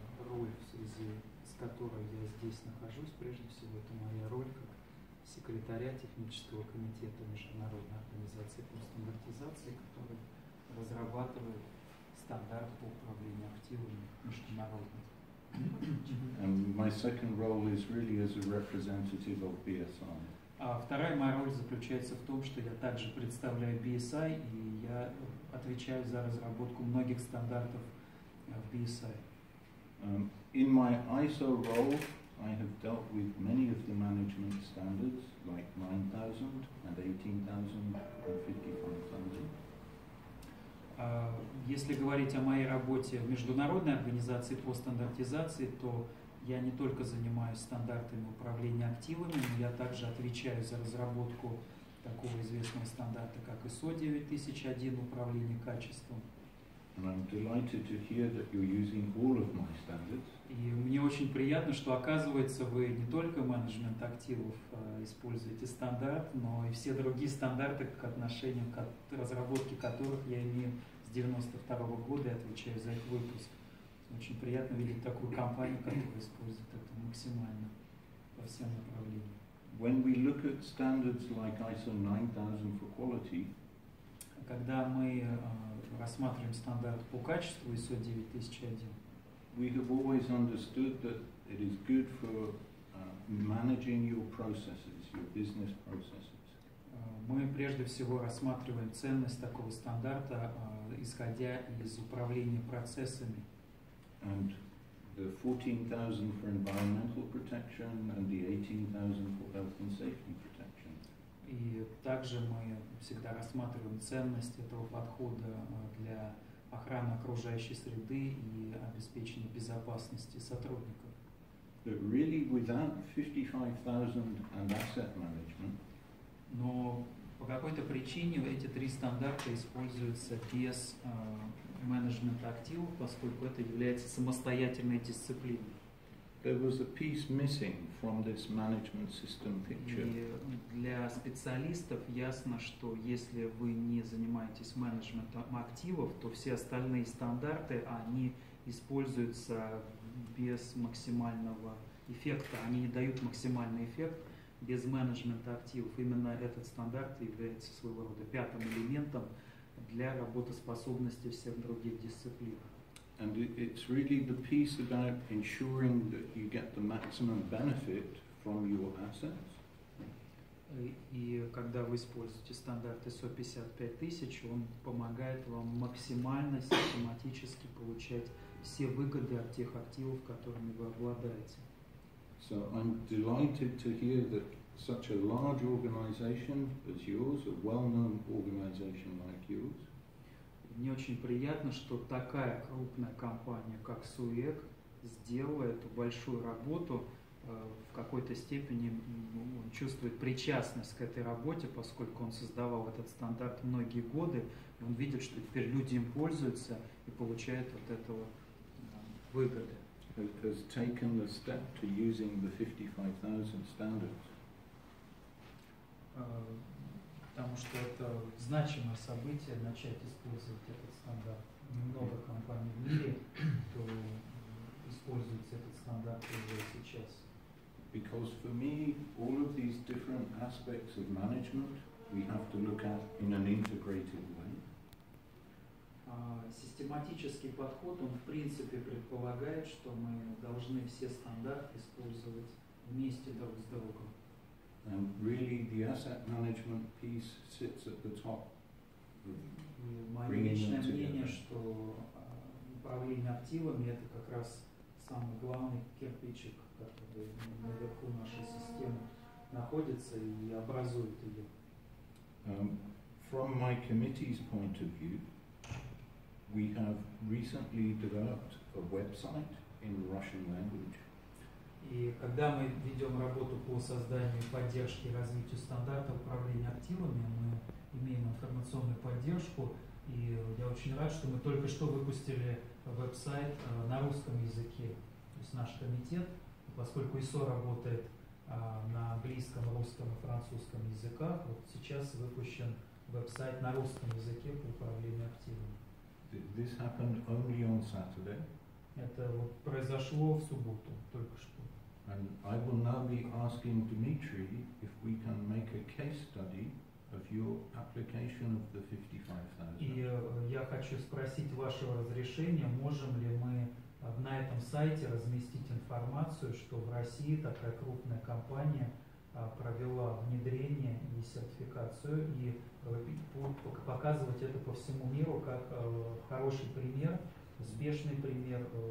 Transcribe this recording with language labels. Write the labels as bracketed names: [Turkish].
[Russian] Роль, в связи с которой я здесь нахожусь, прежде всего, это моя роль как секретаря технического комитета Международной организации по стандартизации, который разрабатывает стандарт по управлению активами международных. [English] And my second role is really as a representative of BSI. [Russian] А вторая моя роль заключается в том, что я также представляю BSI, и я отвечаю за разработку многих стандартов в BSI. [English] In my ISO role, I have dealt with many of the management standards, like 9000 and 18000 and 55000. [Russian] Если говорить о моей работе в международной организации по стандартизации, то я не только занимаюсь стандартами управления активами, но я также отвечаю за разработку такого известного стандарта, как ISO 9001, управление качеством. [English] And I'm delighted to hear that you're using all of my standards. [Russian] И мне очень приятно, что оказывается, вы не только менеджмент активов используете стандарт, но и все другие стандарты, к отношению к разработке которых я имею с 92 года и отвечаю за их выпуск. Очень приятно видеть такую компанию, которая использует это максимально во всем направлении. [English] When we look at standards like ISO 9000 for quality, [Russian] когда мы рассматриваем стандарт по качеству ISO 9001. [English] We have always understood that it is good for managing your processes, your business processes. [Russian] Мы прежде всего рассматриваем ценность такого стандарта, исходя из управления процессами. [English] And the 14000 for environmental protection and the 18000 for health and safety protection. [Russian] И также мы всегда рассматриваем ценность этого подхода для охраны окружающей среды и обеспечения безопасности сотрудников. [English] But really, without 55000 and asset management, [Russian] но по какой-то причине эти три стандарта используются без менеджмента активов, поскольку это является самостоятельной дисциплиной. [English] There was a piece missing from this management system picture. [Russian] И для специалистов ясно, что если вы не занимаетесь менеджментом активов, то все остальные стандарты, они используются без максимального эффекта, они не дают максимальный эффект без менеджмента активов. Именно этот стандарт является своего рода пятым элементом для работоспособности всех других дисциплин. [English] And it's really the piece about ensuring that you get the maximum benefit from your assets. [Russian] И когда вы используете стандарт ISO 55000, он помогает вам максимально систематически получать все выгоды от тех активов, которыми вы обладаете. [English] So I'm delighted to hear that such a large organization as yours, a well-known organization like yours. [Russian] Мне очень приятно, что такая крупная компания, как SUEK, сделала эту большую работу, в какой-то степени он чувствует причастность к этой работе, поскольку он создавал этот стандарт многие годы, и он видит, что теперь люди им пользуются и получают от этого выгоды. [English] Has taken the step to using the 55,000 standards. [Russian] Потому что это значимое событие, начать использовать этот стандарт. Много компаний в мире, кто использует этот стандарт уже сейчас. [English] Because for me, all of these different aspects of management we have to look at in an integrated way. [Russian] Систематический подход, он в принципе предполагает, что мы должны все стандарты использовать вместе друг с другом. [English] And really, the asset management piece sits at the top of bringing them together. [Russian] Мое мнение, что управление активами – это как раз самый главный кирпичик, который наверху нашей системы находится и образует ее. [English] From my committee's point of view, we have recently developed a website in Russian language. [Russian] И когда мы ведем работу по созданию поддержки и развитию стандарта управления активами, мы имеем информационную поддержку, и я очень рад, что мы только что выпустили веб-сайт на русском языке, то есть наш комитет, поскольку ISO работает на английском, русском и французском языках, вот сейчас выпущен веб-сайт на русском языке по управлению активами. [English] This happened only on Saturday. [Russian] Это вот произошло в субботу, только что. [English] And I will now be asking Dmitry if we can make a case study of your application of the 55,000. [Russian] И я хочу спросить вашего разрешения, можем ли мы на этом сайте разместить информацию, что в России такая крупная компания провела внедрение и сертификацию, и показывать это по всему миру как хороший пример, успешный пример.